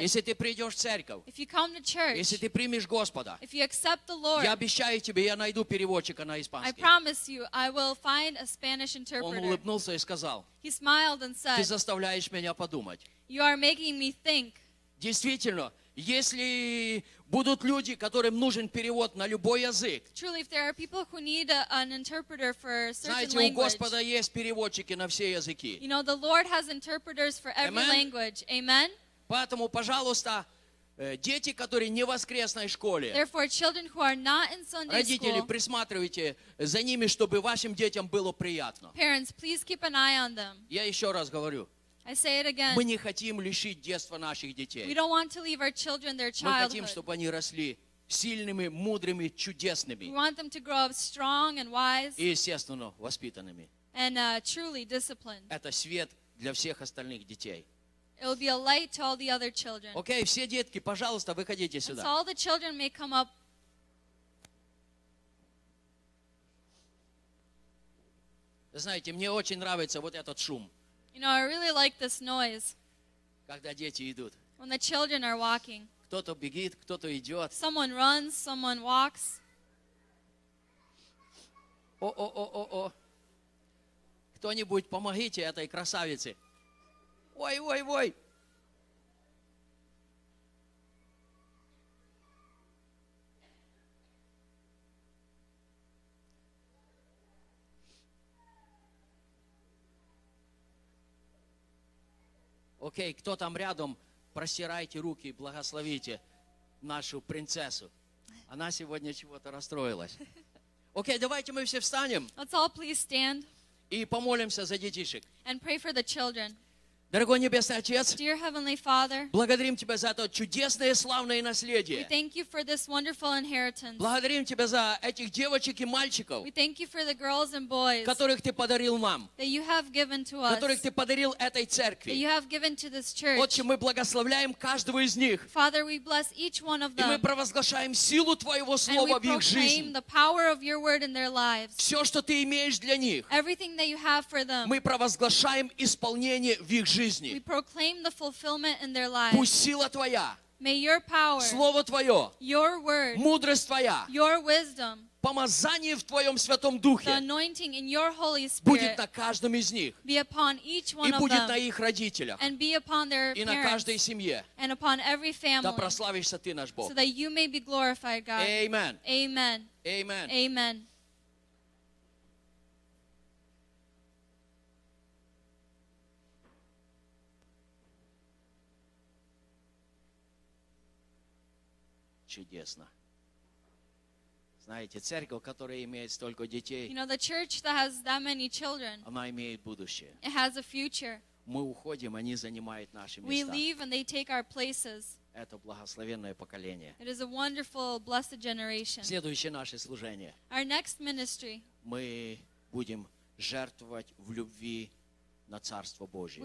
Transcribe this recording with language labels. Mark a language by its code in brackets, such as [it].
[ru] если ты придешь в церковь, [en] if you come to church, [ru] если ты примешь Господа, [en] if you accept the Lord, [ru] я обещаю тебе, я найду переводчика на испанский. [en] I promise you, I will find a Spanish interpreter. [ru] Он улыбнулся и сказал, [en] he smiled and said, [ru] ты заставляешь меня подумать. [en] You are making me think. [ru] Действительно, если будут люди, которым нужен перевод на любой язык. [en] Truly, if there are people who need an interpreter for certain language. [ru] Знаете, у Господа есть переводчики на все языки. [en] You know, the Lord has interpreters for every Amen. Language. Amen. [ru] Поэтому, пожалуйста, дети, которые не в воскресной школе. [en] Therefore, children who are not in Sunday school. [ru] Родители, присматривайте за ними, чтобы вашим детям было приятно. [en] Parents, please keep an eye on them. [ru] Я еще раз говорю. [en] I say it again. [ru] Мы не хотим лишить детства наших детей. [en] We don't want to leave our children their childhood. [ru] Мы хотим, чтобы они росли сильными, мудрыми, чудесными. [en] We want them to grow up strong and wise. [ru] И естественно, воспитанными. [en] And truly disciplined. [ru] Это свет для всех остальных детей. [en] It will be a light to all the other children. [ru] Окей, все детки, пожалуйста, выходите сюда. [en] So all the children may come up. [ru] Знаете, мне очень нравится вот этот шум. [en] You know, I really like this noise. [ru] Когда дети идут. [en] When the children are walking. [ru] Кто-то бегит, кто-то идет. [en] Someone runs, someone walks. О-о-о-о-о. [ru] Кто-нибудь помогите этой красавице. Ой-ой-ой. Окей, кто там рядом, Простирайте руки и благословите нашу принцессу. Она сегодня чего-то расстроилась. Окей, давайте мы все встанем. [en] Let's all please stand. [ru] И помолимся за детишек. [en] And pray for the children. [ru] Дорогой Небесный Отец, [en] Dear Heavenly Father, [ru] благодарим Тебя за это чудесное и славное наследие. [en] We thank you for this wonderful inheritance. [ru] Благодарим Тебя за этих девочек и мальчиков, [en] We thank you for the girls and boys, [ru] которых Ты подарил нам, [en] that you have given to us, [ru] которых Ты подарил этой церкви. [en] That you have given to this church. [ru] Отче, мы благословляем каждого из них. [en] Father, we bless each one of them. [ru] И мы провозглашаем силу Твоего Слова [en] and we [ru] в их жизни. [en] Proclaim the power of your word in their lives. [ru] Все, что Ты имеешь для них, [en] Everything that you have for them. [ru] Мы провозглашаем исполнение в их жизни. [en] We proclaim the fulfillment in their lives. [ru] Пусть сила Твоя, [en] May your power, [ru] Слово Твое, [en] your word, [ru] мудрость Твоя, [en] your wisdom, [ru] помазание в Твоем Святом Духе, [en] the anointing in your Holy Spirit, [ru] будет на каждом из них, [en] be upon each one [ru] и будет [en] of them, [ru] на их родителях, [en] and be upon their parents, [ru] и на каждой семье, [en] and upon every family, [ru] да прославишься Ты, наш Бог. [en] So that you may be glorified, God. Amen. Amen. Amen. Amen. [ru] Чудесно. Знаете, церковь, которая имеет столько детей, [en] you know, the church that has that many children, [ru] она имеет будущее. [en] It has a future. [ru] Мы уходим, они занимают наши [en] We [ru] места. [en] We leave and they take our places. [ru] Это благословенное поколение. [en] It is a wonderful, blessed generation. [ru] Следующее наше служение. [en] Our next ministry. [ru] Мы будем жертвовать в любви на Царство Божие.